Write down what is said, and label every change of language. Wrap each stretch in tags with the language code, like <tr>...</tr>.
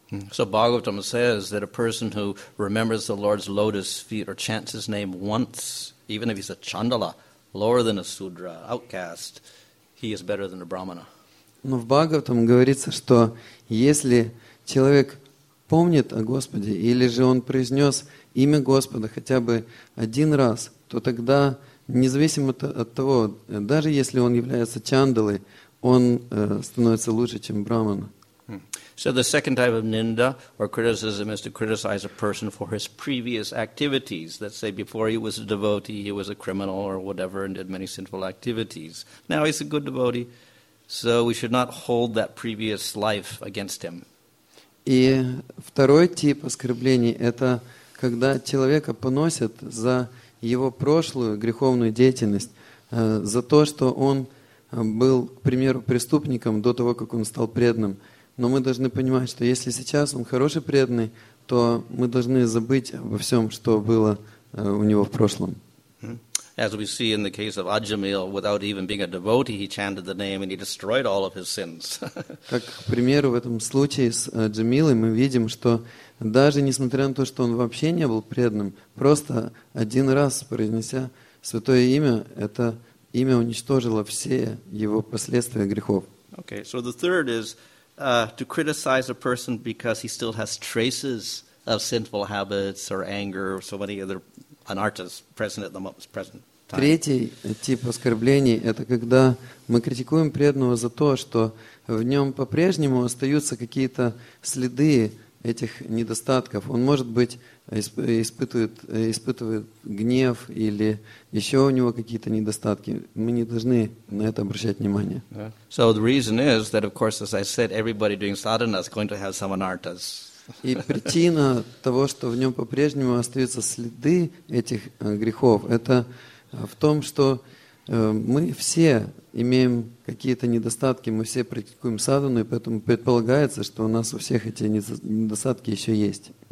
<en>So Bhagavatam says that a person who remembers the Lord's lotus feet or chants his name once, even if he's a chandala, lower than a sudra, outcast, he is better than a brahmana.</en> <ru>Но в Бхагаватам говорится, что если человек помнит о Господе, или же он произнес имя Господа хотя бы один раз, то тогда независимо от того, даже если он является чандалой, он становится лучше, чем брахмана.</ru> <en>So the second type of ninda or criticism is to criticize a person for his previous activities. Let's say before he was a devotee, he was a criminal or whatever and did many sinful activities. Now he's a good devotee, so we should not hold that previous life against him.</en> <ru>И второй тип оскорблений – это когда человека поносят за его прошлую греховную деятельность, за то, что он был, к примеру, преступником до того, как он стал преданным. Но мы должны понимать, что если сейчас он хороший преданный, то мы должны забыть обо всем, что было у него в прошлом.</ru> <en>As we see in the case of Ajamil, without even being a devotee, he chanted the name and he destroyed all of his sins.</en> <ru>Как, к примеру, в этом случае с Джамилой мы видим, что даже несмотря на то, что он вообще не был преданным, просто один раз произнеся святое имя, это имя уничтожило все его последствия грехов.</ru> <en>Okay, so the third is to criticize a person because he still has traces of sinful habits or anger or so many other anartas present at the moment, present time.</en> <ru>Третий тип оскорблений – это когда мы критикуем преданного за то, что в нем по-прежнему остаются какие-то следы этих недостатков. Он, может быть, испытывает гнев или еще у него какие-то недостатки. Мы не должны на это обращать внимание.</ru> <en>So the reason is that, of course, as I said, everybody doing sadhana is going to have some anartas.</en> <ru>И причина того, что в нем по-прежнему остаются следы этих грехов, это в том, что мы все имеем какие-то недостатки, мы все практикуем садхану, и поэтому предполагается, что у нас у всех эти недостатки еще есть.</ru>